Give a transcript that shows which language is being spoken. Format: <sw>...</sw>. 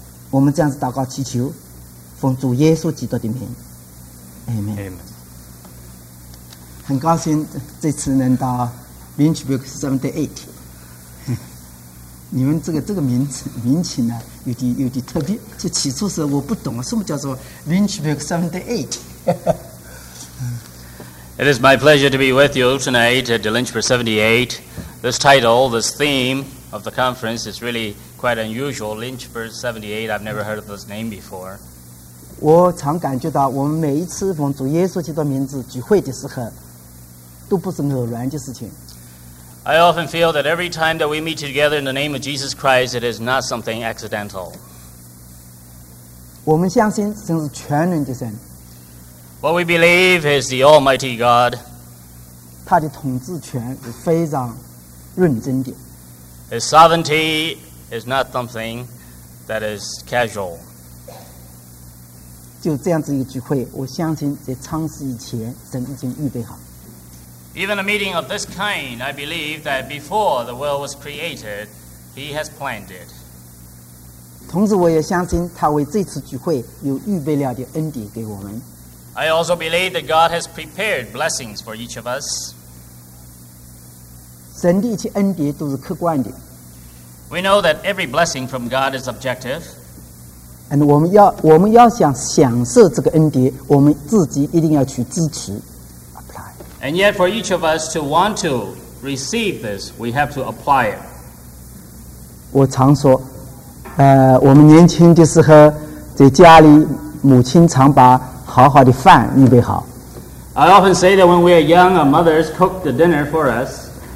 <zh>我们这样子祷告祈求，奉主耶稣基督的名， Amen。很高兴这次能到 Lynchburg 78。你们这个名字呢有点特别，就起初时我不懂什么叫做 Lynchburg 78。</zh> <en>It is my pleasure to be with you tonight at the Lynchburg 78. This title, this theme of the conference is reallyquite unusual, Lynchburg 78. I've never heard of this name before.</en> <zh>我常感觉到我们每一次奉主耶稣基督名字聚会的时候都不是偶然的事情。</zh> <en>I often feel that every time that we meet together in the name of Jesus Christ, it is not something accidental.</en> <zh>我们相信神是全能的神。</zh> <en>What we believe is the Almighty God.</en> <zh>他的统治权是非常认真的。</zh> <en>His sovereignty is not something that is casual.</en> <zh>就这样子一个聚会，我相信在创始以前，神已经预备好。</zh> <en>Even a meeting of this kind, I believe that before the world was created, He has planned it.</en> <zh>同时，我也相信他为这次聚会有预备了的恩典给我们。</zh> <en>I also believe that God has prepared blessings for each of us.</en> <zh>神的一切恩典都是客观的。</zh> <en>We know that every blessing from God is objective.</en> <zh>And 我们要想享受这个恩典，我们自己一定要去支持 apply.</zh> <en>And yet for each of us to want to receive this, we have to apply it.</en> <zh>我常说，我们年轻的时候在家里，母亲常把好好的饭预备好。</zh> <en>I often say that when we are young, our mothers cook the dinner for us.</en>